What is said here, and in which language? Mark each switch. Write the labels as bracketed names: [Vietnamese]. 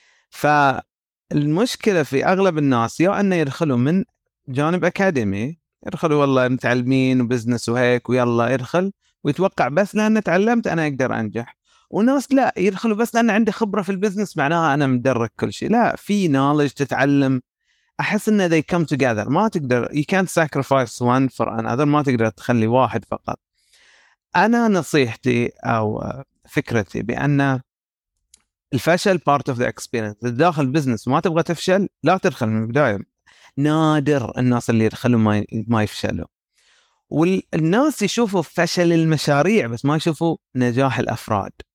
[Arabic] فالمشكلة في اغلب الناس يا ان يدخلوا من جانب اكاديمي ادخل والله متعلمين وبزنس وهيك ويلا ادخل ويتوقع بس لان تعلمت انا اقدر انجح. وناس لا يدخلوا بس لان عندي خبره في البزنس معناها انا مدرك كل شيء. لا في نولج تتعلم. احس ان [English] they come together. [Arabic] ما تقدر [English] you can't sacrifice one for another. [Arabic] ما تقدر تخلي واحد فقط. انا نصيحتي او فكرتي بان الفشل [English] part of the experience. [Arabic] داخل بزنس ما تبغى تفشل لا تدخل من البدايه. نادر الناس اللي يدخلوا ما يفشلوا. والناس يشوفوا فشل المشاريع بس ما يشوفوا نجاح الافراد.